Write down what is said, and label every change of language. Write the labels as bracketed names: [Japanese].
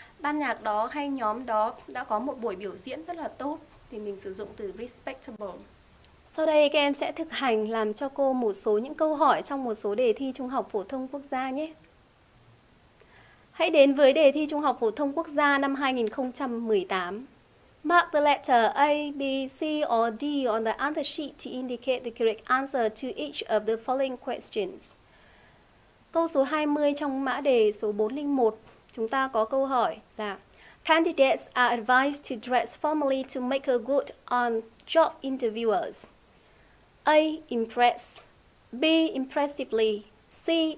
[Vietnamese] Ban nhạc đó hay nhóm đó đã có một buổi biểu diễn rất là tốt thì mình sử dụng từ respectable. Sau đây các em sẽ thực hành làm cho cô một số những câu hỏi trong một số đề thi Trung học Phổ thông Quốc gia nhé. Hãy đến với đề thi Trung học Phổ thông Quốc gia năm 2018. [English] Mark the letter A, B, C or D on the answer sheet to indicate the correct answer to each of the following questions. [Vietnamese] Câu số 20 trong mã đề số 401, chúng ta có câu hỏi là [English] Candidates are advised to dress formally to make a good on job interviewers. A. Impress, B. Impressively, C.